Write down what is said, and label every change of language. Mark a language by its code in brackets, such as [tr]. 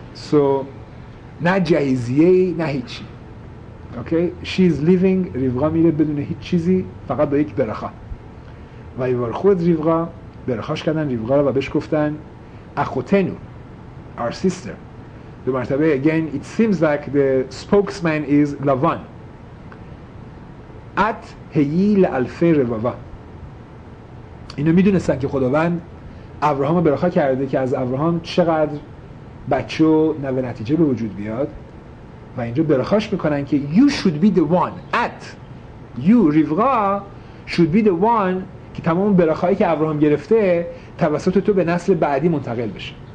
[en] So [fa] نه جهیزیه نه هیچی. [en] Okay, she is leaving. [fa] ریفقا میره بدون هیچ چیزی، فقط با یک برخا. [he] و یه وارخو ات ریفقا [fa] برخاش کردن ریفقا رو و بهش گفتن اخوتنو [en] our sister. [fa] دو مرتبه [en] again it seems like the spokesman is Lavan. [he] ات هییل الفی رووا. [fa] اینو میدونستن که خداوند ابراهام برخا کرده که از ابراهام چقدر بچه و نوه نتیجه به وجود بیاد و اینجا برخاش میکنن که [en] you should be the one at you [fa] ریوغا [en] should be the one [fa] که تمام برخایی که ابراهام گرفته توسط تو به نسل بعدی منتقل بشه.